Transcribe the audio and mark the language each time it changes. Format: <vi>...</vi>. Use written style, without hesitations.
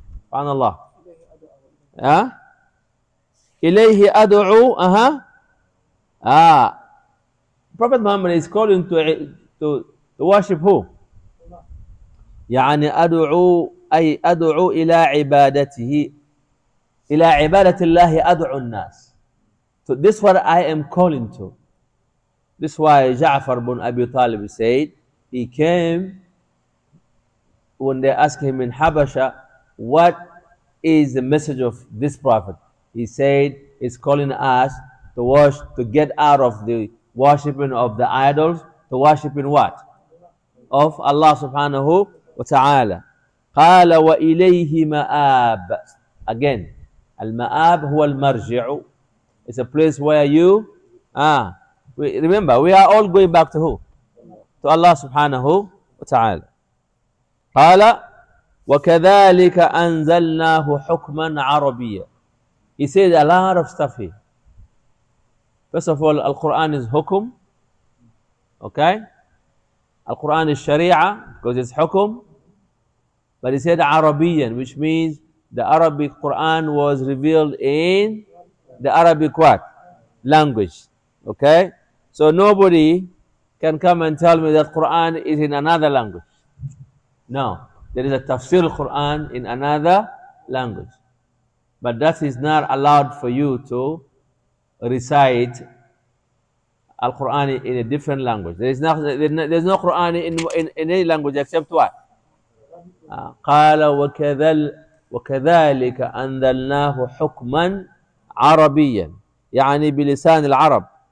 <ar>سبحان الله. إليه أدعو.</ar> <en>Prophet Muhammad is calling to worship who?</en> <ar>يعني أدعو أي أدعو إلى عبادته. إلى عبادة الله أدعو الناس.</ar> <en>So this is what I am calling to. This is why Ja'far ibn Abi Talib said, he came when they asked him in Habasha, what is the message of this prophet? He said, he's calling us to wash, to get out of the worshiping of the idols, to worship in what? Of Allah subhanahu wa ta'ala.</en> <ar>قال وإليه مآب.</ar> <en>Again.</en> <ar>المآب هو المرجع.</ar> <en>It's a place where you remember, we are all going back to who? To Allah subhanahu wa ta'ala.</en> <ar>قال وكذلك أنزلناه حكما عربيا.</ar> <en>He said a lot of stuff here. First of all, Al-Quran is hukum. Okay? Al-Quran is sharia because it's hukum. But he said Arabian, which means the Arabic Quran was revealed in the Arabic what? Language. Okay? So nobody can come and tell me that Quran is in another language. No. There is a tafsir Quran in another language. But that is not allowed for you to recite Al Quran in a different language. There's no Quran in any language except what?</en> <ar>Qala wa kadhal. وكذلك أنزلناه حكما عربيا يعني بلسان العرب.</ar>